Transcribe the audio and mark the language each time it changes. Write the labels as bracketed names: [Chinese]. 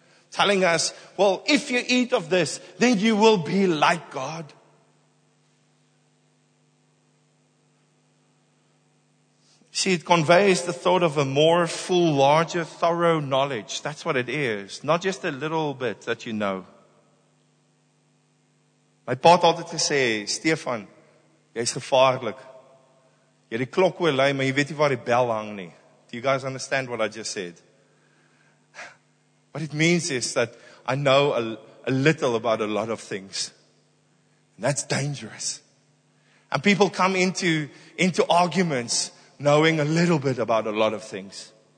[English] Telling us, well, if you eat of this, then you will be like God. See, it conveys the thought of a more full, larger, thorough knowledge. That's what it is. Not just a little bit that you know. [Afrikaans] My pa het altyd gesê, Stefan, jy is gevaarlik. Jy het die klok oor lei, maar jy weet nie waar die bel hang nie. [English] Do you guys understand what I just said? What it means is that I know a little about a lot of things. And that's dangerous. And people come into arguments knowing a little bit about a lot of things.